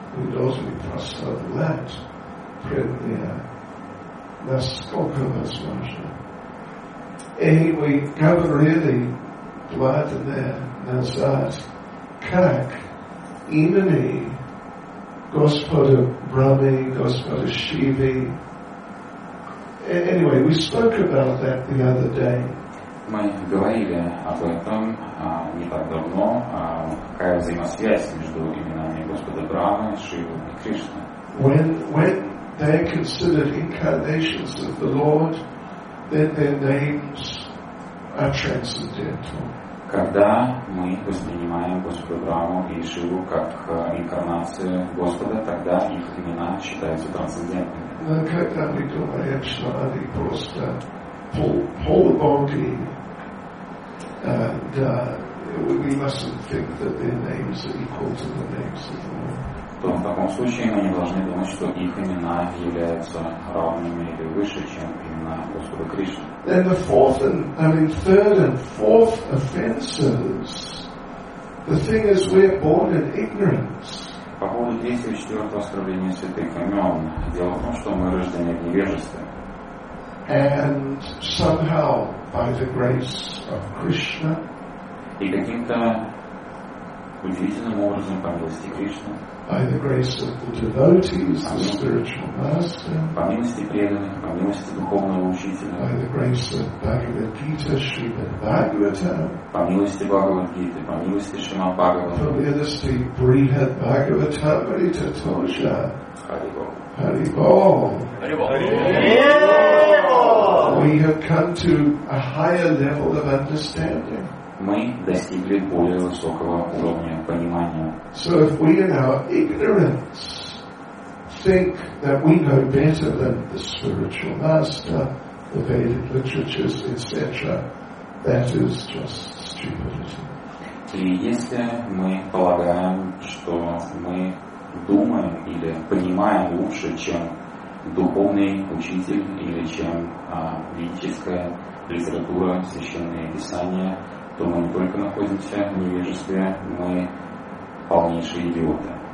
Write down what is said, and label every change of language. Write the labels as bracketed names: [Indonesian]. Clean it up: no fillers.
[Russian] преданное, насколько возможно. И мы говорили 2 дня назад, как имени Господа Брами, Господа Шиви. [English] Anyway, we spoke about that the other day. [Russian] Мы говорили об этом не так давно, какая взаимосвязь между именами Господа Брамы, Шивы и Кришны. [English] When they considered incarnations of the Lord, then their names are transcendental. [Russian] Когда мы воспринимаем Господа Браму и Шиву как инкарнацию Господа, тогда их имена считаются трансцендентными. Но когда мы думаем, что они просто полубоги, [English] and we mustn't think that their names are equal to the names of the Lord. [Russian] то в таком случае мы не должны думать, что их имена являются равными или выше, чем имена Господа Кришны. [English] Then the fourth and, I mean, third and fourth offenses. The thing is, we're born in ignorance. [Russian] По поводу третьего и четвертого оскорбления святых имен, дело в том, что мы рождены в невежестве. [English] And somehow, by the grace of Krishna, [Russian] и каким-то удивительным образом, по милости Кришны, [English] by the grace of the devotees, the spiritual master, [Russian] по милости преданных, по милости духовного учителя, [English] by the grace of Bhagavad Gita, Srimad Bhagavatam, [Russian] по милости Бхагавад Гиты, по милости Шримад Бхагаватам, [English] from the other state, Brihad Bhagavatam, Brita Tosha, [Sanskrit] Haribol. Haribol. Haribol. [English] We have come to a higher level of understanding. [Russian] Мы достигли более высокого уровня понимания. [English] So if we in our ignorance think that we know better than the spiritual master, the Vedic literatures, etc., that is just stupidity. [Russian] И если мы полагаем, что мы думаем или понимаем лучше, чем духовный учитель или чем ведическая литература, священные писания, то мы не только находимся в невежестве, мы полнейшие идиоты.